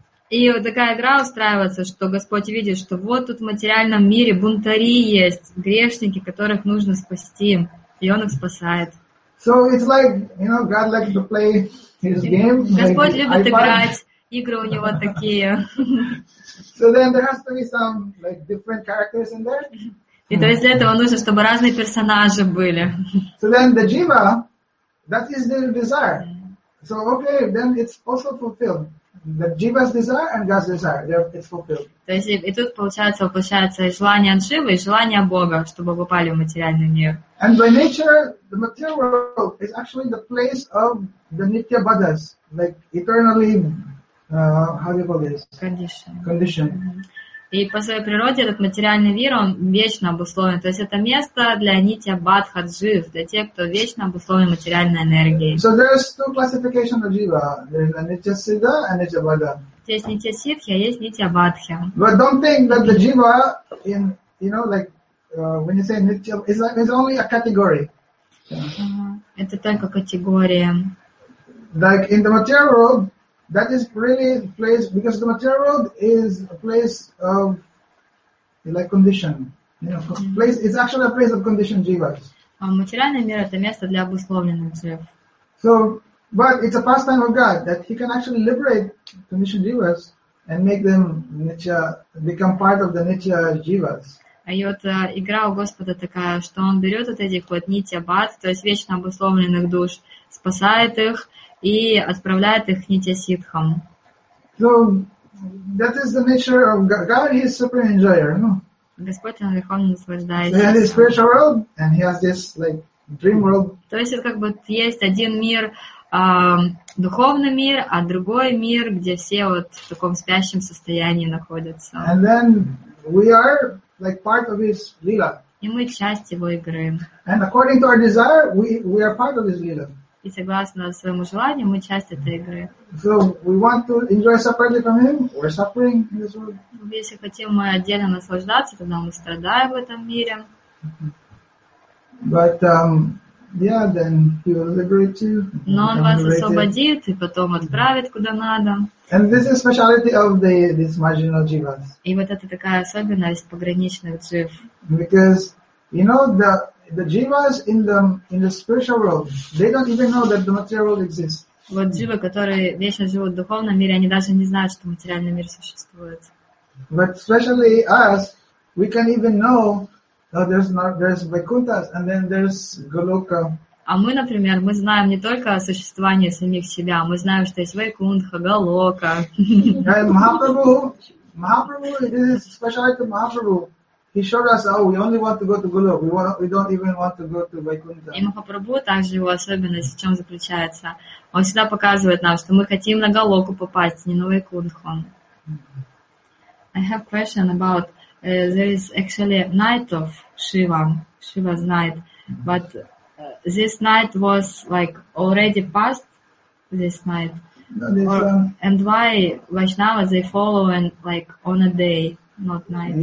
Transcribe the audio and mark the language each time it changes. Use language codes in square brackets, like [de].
[ru] И вот такая игра устраивается, что Господь видит, что вот тут в материальном мире бунтари есть, грешники, которых нужно спасти, и Он их спасает. [en] So it's like, you know, God likes to play his game. [ru] Господь [en] like [ru] любит играть. Игры у него такие. [en] So then there has to be some like different characters in there. [ru] И то есть для этого нужно, чтобы разные персонажи были. [en] So then the jiva, that is their desire. So okay, then it's also fulfilled. The jiva's desire and God's desire, it's fulfilled. [ru] То есть и тут получается, воплощается и желание дживы, и желание Бога, чтобы попали в материальный мир. [en] And by nature, the material world is actually the place of the nitya buddhas, like eternally, how do you call this? Condition. [ru] И по своей природе этот материальный мир, он вечно обусловлен. То есть это место для нитья бадха джив, для тех, кто вечно обусловлен материальной энергией. [en] So there's two classifications of jiva. There's a nitya siddha and nitya bada. [ru] Есть нитья сиддхи, а есть нитья бадхи. [en] But don't think that the jiva in, you know, like, when you say nitya, it's only a category. [ru] Это только категория. [en] Like in the material world, that is really a place, because the material world is a place of, like, condition. You know, place, it's actually a place of conditioned jivas. [ru] А материальный мир — это место для обусловленных джив. [en] So, but it's a pastime of God that he can actually liberate conditioned jivas and make them nitya, become part of the nitya jivas. [ru] И вот игра у Господа такая, что он берет вот этих вот нитья бад, то есть вечно обусловленных душ, спасает их и отправляет их к нитья сиддхам. [en] So that is the nature of God. God is supreme enjoyer, no? [ru] Господь, он верховный наслаждается. [en] So he has this spiritual world, and he has this like dream world. [ru] То есть это как бы есть один мир, духовный мир, а другой мир, где все вот в таком спящем состоянии находятся. [en] And then we are like part of his lila. [ru] И мы часть его игры. [en] And according to our desire, we are part of his lila. [ru] И согласно своему желанию, мы часть этой игры. [en] So we want to enjoy separately from him, we're suffering in this world. [ru] Если хотим мы отдельно наслаждаться, тогда мы страдаем в этом мире. [en] But yeah, then he will liberate you. [ru] Но он вас освободит и потом отправит куда надо. [en] And this is speciality of the these marginal jivas. [ru] И вот это такая особенность пограничных джив. [en] Because you know the jivas in the spiritual world, they don't even know that the material world exists. [ru] Вот дживы, которые вечно живут в духовном мире, они даже не знают, что материальный мир существует. [en] But especially us, we can even know that there's Vaikunthas and then there's Goloka. [ru] А мы, например, мы знаем не только о существовании самих себя, мы знаем, что есть Вайкунтха, Галока. [en] Махапрабху, this is speciality of Махапрабху. He showed us, oh, we only want to go to Голока. We don't even want to go to Вайкунтха. [ru] И Махапрабху также его особенность в чем заключается? Он всегда показывает нам, что мы хотим на Голоку попасть, не на Вайкунтху. [en] I have a question about there is actually night of Shiva, Shiva's night, but this night was like already passed this night. And why Vaishnavas they follow and like on a day, not night?